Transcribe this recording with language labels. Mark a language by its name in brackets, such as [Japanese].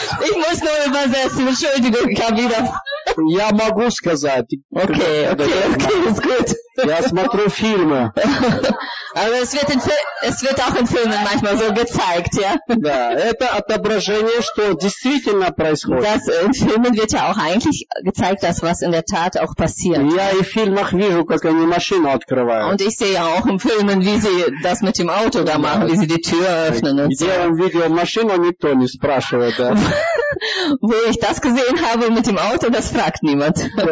[German] Ich muss nur übersetzen. Entschuldigung, ich habe wieder. [Russian] Я могу сказать. Окей, окей, окей. Я смотрю фильмы. [German] Aber es wird auch in Filmen manchmal so gezeigt, ja. [Russian] Да, это отображение, что действительно происходит. [German] Das in Filmen wird ja auch eigentlich gezeigt, das was in der Tat auch passiert. [Russian] Я и в фильмах вижу, как они машину открывают. [German] Und ich sehe auch in Filmen, wie sie das mit dem Auto da machen, wie sie die Tür öffnen und so. [Russian] Где он видел машину, никто не спрашивает, да. [German] Wo ich das gesehen habe mit dem Auto, das fragt niemand.